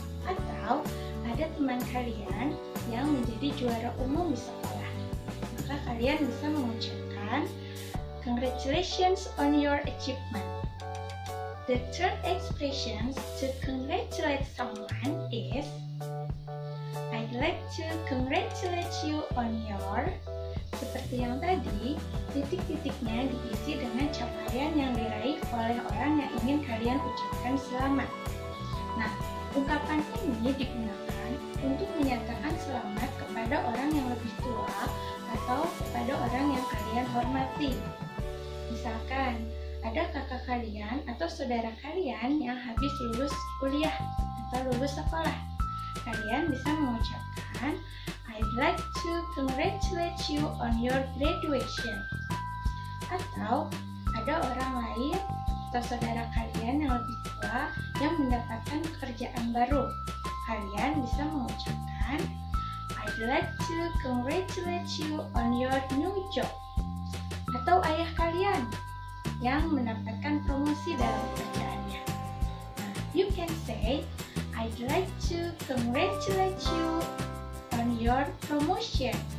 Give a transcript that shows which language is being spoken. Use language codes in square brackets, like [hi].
[id] Atau ada teman kalian yang menjadi juara umum di sekolah, maka kalian bisa mengucapkan [en] congratulations on your achievement. The third expression to congratulate someone is I'd like to congratulate you on your. [id] Seperti yang tadi, titik-titiknya diisi dengan capaian yang diraih oleh orang yang ingin kalian ucapkan selamat. Nah, ungkapan ini digunakan untuk menyatakan selamat kepada orang yang lebih tua atau kepada orang yang kalian hormati. Misalkan, ada kakak kalian atau saudara kalian yang habis lulus kuliah atau lulus sekolah. Kalian bisa mengucapkan [en] I'd like to congratulate you on your graduation. [id] Atau ada orang lain atau saudara kalian yang lebih tua yang mendapatkan pekerjaan baru. Kalian bisa mengucapkan [en] I'd like to congratulate you on your new job. [id] Atau ayah kalian yang mendapatkan promosi dalam pekerjaannya. Nah, [en] you can say I'd like to congratulate you on your promotion.